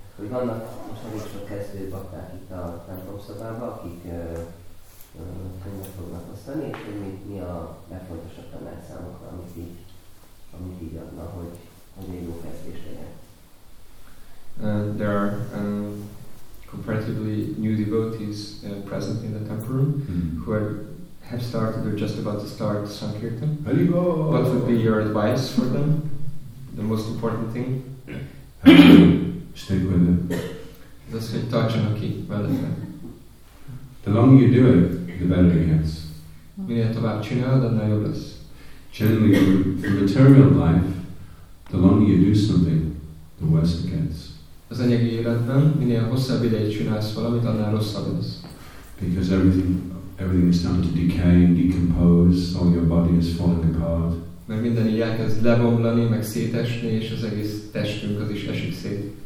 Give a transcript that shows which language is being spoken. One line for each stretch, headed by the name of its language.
Hungarian: Hogy vannak most elég sok kezdő bakták itt a templomszobában, akik könyvet fognak osztani, és hogy mi a legfontosabb tanács számokra, amit így adna, hogy egy jó kezdés legyen.
English: There are comparatively new devotees present in the temple room who have started or just about to start Sankirtan. What would be your advice for them? The most important thing? Stick with it. Let's say tachana ki velete. The longer you do it, the better it gets.
Hungarian: Minél tovább csinálod, annál jobb lesz.
English: Generally, for material life, the longer you do something, the worse it gets.
Hungarian: Az anyagi életben, minél hosszabb ideig csinálsz valamit, annál rosszabb lesz.
English: Because everything is starting to decay and decompose, all your body is falling apart.
Hungarian: Mert minden így elkezd lebomlani, meg szétesni, és az egész testünk az is esik szét.